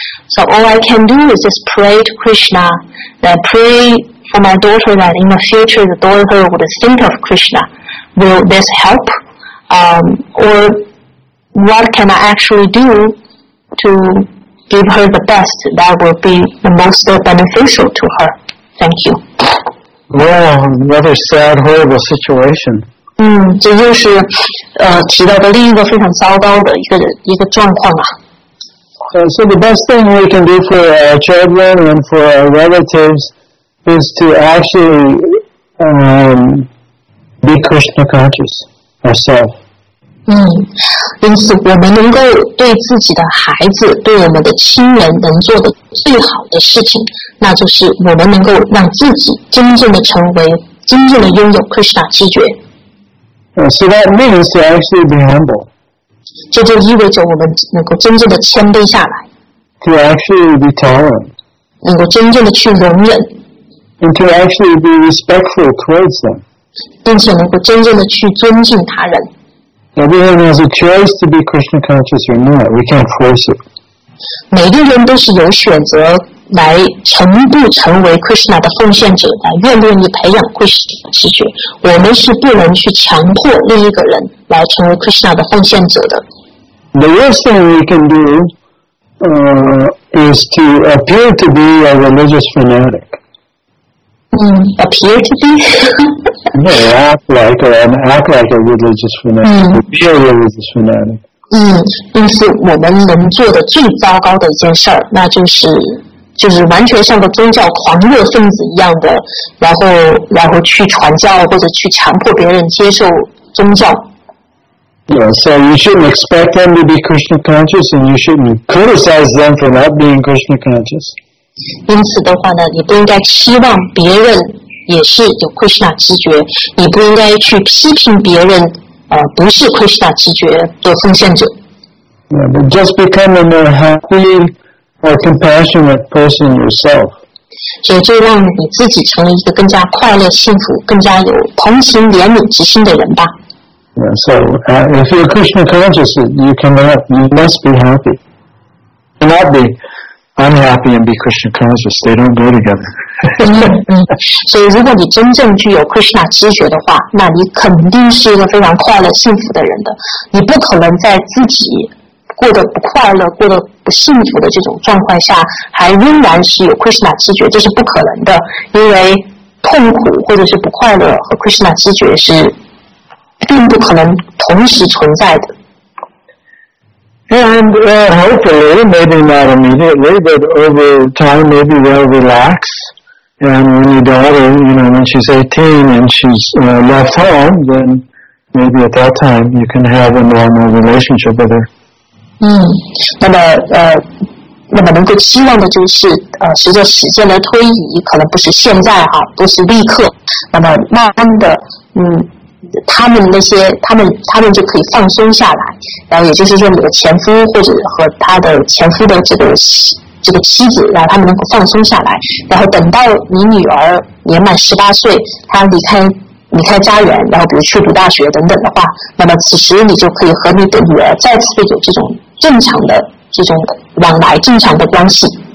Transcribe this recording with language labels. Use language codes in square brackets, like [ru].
[en] So all I can do is just pray to Krishna, that pray for my daughter that in the future the daughter would think of Krishna. Will this help? Or what can I actually do to... give her the best that will be the most beneficial to her. Thank you. Wow, another sad, horrible situation. [zh] 这就是提到的另一个非常糟糕的一个状况啊。 [en] So the best thing we can do for our children and for our relatives is to actually be Krishna conscious ourselves. [zh] 因此我们能够对自己的孩子，对我们的亲人能做的最好的事情，那就是我们能够让自己真正的成为真正的拥有 Krishna 知觉。 [en] So that means to actually be humble. [zh] 这就意味着我们能够真正的谦卑下来。 [en] To actually be tolerant. [zh] 能够真正的去容忍。 [en] And to actually be respectful towards them. [zh] 并且能够真正的去尊敬他人。 [en] Everyone has a choice to be Krishna conscious or not. We can't force it. [zh] 每个人都是有选择来成不成为 Krishna 的奉献者，来愿不愿意培养 Krishna 知觉。我们是不能去强迫另一个人来成为 Krishna 的奉献者的。 [en] The worst thing we can do is to appear to be a religious fanatic. Appear to be? act like a religious fanatic. Be a religious fanatic. [zh] 因此我们能做的最糟糕的一件事，那就是完全像个宗教狂热分子一样的，然后去传教或者去强迫别人接受宗教。 [en] Yeah, so you shouldn't expect them to be Krishna conscious, and you shouldn't criticize them for not being Krishna conscious. [zh] 因此的话呢，你不应该期望别人也是有 Krishna 知觉，你不应该去批评别人，不是 Krishna 知觉的奉献者。 [en] Yeah, but just become a more happy or compassionate person yourself. [zh] 所以就让你自己成为一个更加快乐、幸福、更加有同情、怜悯之心的人吧。 [en] Yeah, so if you're Krishna conscious, you must be happy. You cannot be unhappy and be Krishna conscious. They don't go together. [zh] 所以如果你真正具有 Krishna 知觉的话，那你肯定是一个非常快乐幸福的人的。你不可能在自己过得不快乐、过得不幸福的这种状况下，还仍然是有 Krishna 知觉，这是不可能的。因为痛苦或者是不快乐和 Krishna 知觉是并不可能同时存在的。 [en] And hopefully, maybe not immediately, but over time, maybe they'll relax. And when your daughter, you know, when she's 18 and she's left home, then maybe at that time you can have a normal relationship with her. [zh] 那么能够期望的就是随着时间的推移，可能不是现在哈，不是立刻，那么慢慢的，他们就可以放松下来，然后也就是说，你的前夫或者和他的前夫的这个妻子，然后他们能够放松下来，然后等到你女儿年满18岁，她离开家园，然后比如去读大学等等的话，那么此时你就可以和你的女儿再次有这种正常的这种往来、正常的关系。